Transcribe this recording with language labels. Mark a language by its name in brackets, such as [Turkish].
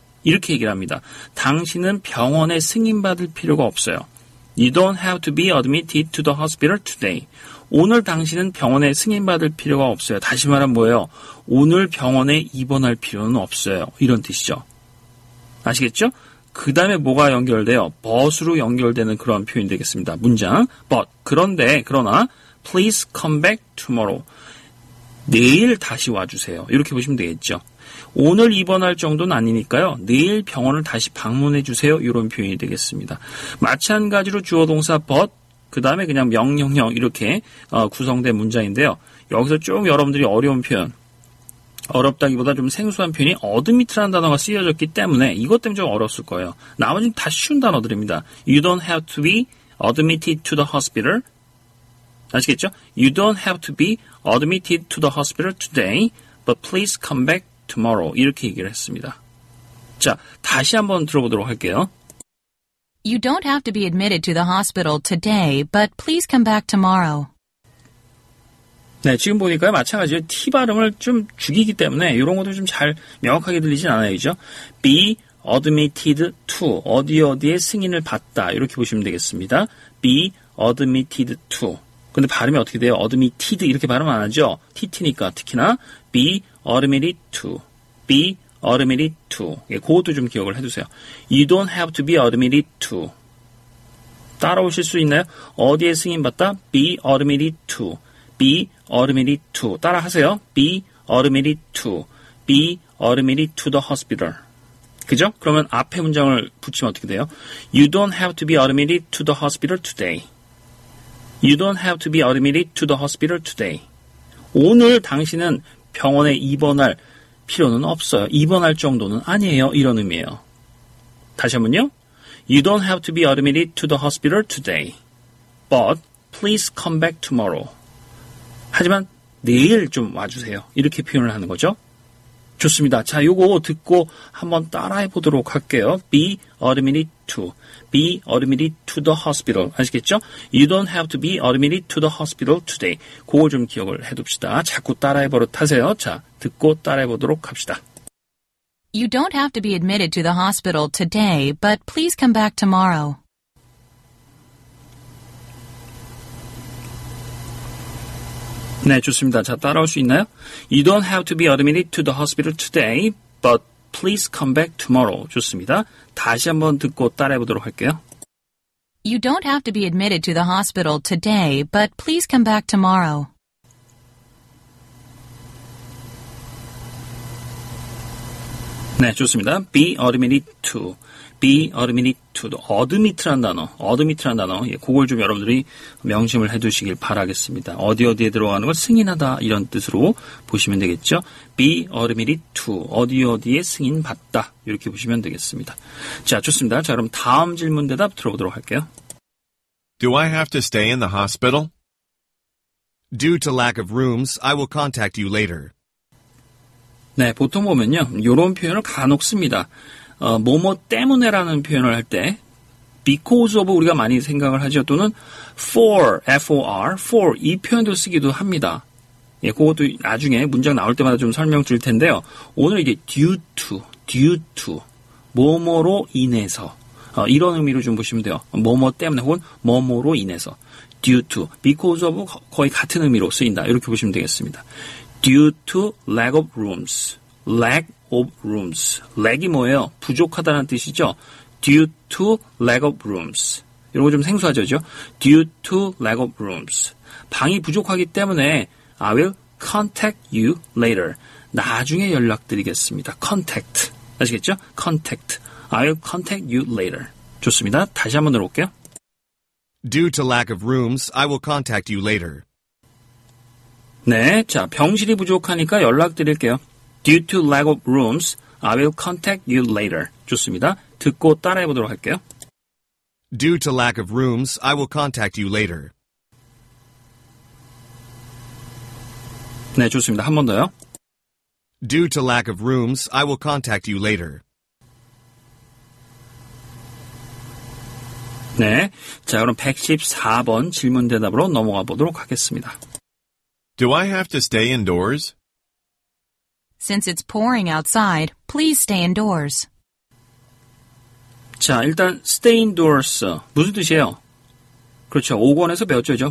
[Korean] 이렇게 얘기를 합니다. 당신은 병원에 승인받을 필요가 없어요. [English] You don't have to be admitted to the hospital today. [Korean] 오늘 당신은 병원에 승인받을 필요가 없어요. 다시 말하면 뭐예요? 오늘 병원에 입원할 필요는 없어요. 이런 뜻이죠. 아시겠죠? 그 다음에 뭐가 연결돼요? But으로 연결되는 그런 표현이 되겠습니다. [English] 문장. But, [Korean] 그런데, 그러나, [English] please come back tomorrow. [Korean] 내일 다시 와주세요. 이렇게 보시면 되겠죠. 오늘 입원할 정도는 아니니까요. 내일 병원을 다시 방문해 주세요. 이런 표현이 되겠습니다. 마찬가지로 주어동사 but 그 다음에 그냥 명령형 이렇게 구성된 문장인데요. 여기서 좀 여러분들이 어려운 표현 어렵다기보다 좀 생소한 표현이 admit라는 단어가 쓰여졌기 때문에 이것 때문에 좀 어려웠을 거예요. 나머지는 다 쉬운 단어들입니다. [English] You don't have to be admitted to the hospital. [Korean] 아시겠죠? [English] You don't have to be admitted to the hospital today, but please come back tomorrow. [Korean] 이렇게 얘기를 했습니다. 자, 다시 한번 들어보도록 할게요. [English] You don't have to be admitted to the hospital today, but please come back tomorrow. [Korean] 네, 지금 보니까 마찬가지로 T 발음을 좀 죽이기 때문에 이런 것도 좀 잘 명확하게 들리진 않아요. 그죠? [English] Be admitted to, [Korean] 어디 어디에 승인을 받다. 이렇게 보시면 되겠습니다. [English] Be admitted to. [Korean] 근데 발음이 어떻게 돼요? admitted 이렇게 발음 안 하죠? tt니까 특히나 [English] be admitted to. be admitted to. [Korean] 예, 그것도 좀 기억을 해두세요. [English] You don't have to be admitted to. [Korean] 따라오실 수 있나요? 어디에 승인받다? [English] be admitted to. be admitted to. [Korean] 따라하세요. [English] be admitted to. be admitted to the hospital. [Korean] 그죠? 그러면 앞에 문장을 붙이면 어떻게 돼요? [English] You don't have to be admitted to the hospital today. You don't have to be admitted to the hospital today. [Korean] 오늘 당신은 병원에 입원할 필요는 없어요. 입원할 정도는 아니에요. 이런 의미예요. 다시 한번요. [English] You don't have to be admitted to the hospital today. But please come back tomorrow. [Korean] 하지만 내일 좀 와주세요. 이렇게 표현을 하는 거죠. 좋습니다. 자, 요거 듣고 한번 따라해 보도록 할게요. [English] Be admitted to. Be admitted to the hospital. [Korean] 아시겠죠? [English] You don't have to be admitted to the hospital today. [Korean] 그거 좀 기억을 해둡시다. 자꾸 따라해 버릇하세요. 자, 듣고 따라해 보도록 합시다. [English] You don't have to be admitted to the hospital today, but please come back tomorrow. You don't have to be admitted to the hospital today, but please come back tomorrow. [Korean] 좋습니다. 다시 한번 듣고 따라해 보도록 할게요. [English] You don't have to be admitted to the hospital today, but please come back tomorrow. [Korean] 네, 좋습니다. [English] Be admitted to. Be admitted to. [Korean] Admit라는 단어. 예, 그걸 좀 여러분들이 명심을 해두시길 바라겠습니다. 어디 어디에 들어가는 걸 승인하다 이런 뜻으로 보시면 되겠죠. [English] Be admitted to. [Korean] 어디 어디에 승인받다. 이렇게 보시면 되겠습니다. 자, 좋습니다. 자, 그럼 다음 질문 대답 들어보도록 할게요. [English] Do I have to stay in the hospital? Due to lack of rooms, I will contact you later. [Korean] 네, 보통 보면요, 이런 표현을 간혹 씁니다. 뭐뭐 때문에라는 표현을 할 때 because of 우리가 많이 생각을 하죠. 또는 for 이 표현도 쓰기도 합니다. 예, 그것도 나중에 문장 나올 때마다 좀 설명 드릴 텐데요. 오늘 이제 due to 뭐뭐로 인해서 이런 의미로 좀 보시면 돼요. 뭐뭐 때문에 혹은 뭐뭐로 인해서 due to, because of 거의 같은 의미로 쓰인다. 이렇게 보시면 되겠습니다. [English] Due to lack of rooms. Lack of rooms. [Korean] Lack이 뭐예요? 부족하다는 뜻이죠? [English] Due to lack of rooms. [Korean] 이런 거 좀 생소하죠? 그렇죠? [English] Due to lack of rooms. [Korean] 방이 부족하기 때문에 [English] I will contact you later. [Korean] 나중에 연락드리겠습니다. [English] Contact. [Korean] 아시겠죠? [English] Contact. I will contact you later. [Korean] 좋습니다. 다시 한번 들어볼게요. [English] Due to lack of rooms, I will contact you later. [Korean] 네, 자, 병실이 부족하니까 연락드릴게요. [English] Due to lack of rooms, I will contact you later. [Korean] 좋습니다. 듣고 따라해 보도록 할게요. [English] Due to lack of rooms, I will contact you later. [Korean] 네, 좋습니다. 한 번 더요. [English] Due to lack of rooms, I will contact you later. [Korean] 네, 자, 그럼 114번 질문 대답으로 넘어가 보도록 하겠습니다. [English] Do I have to stay indoors? Since it's pouring outside, please stay indoors. [Korean] 자, 일단 [English] stay indoors [Korean] 무슨 뜻이에요? 그렇죠. 5권에서 배웠죠.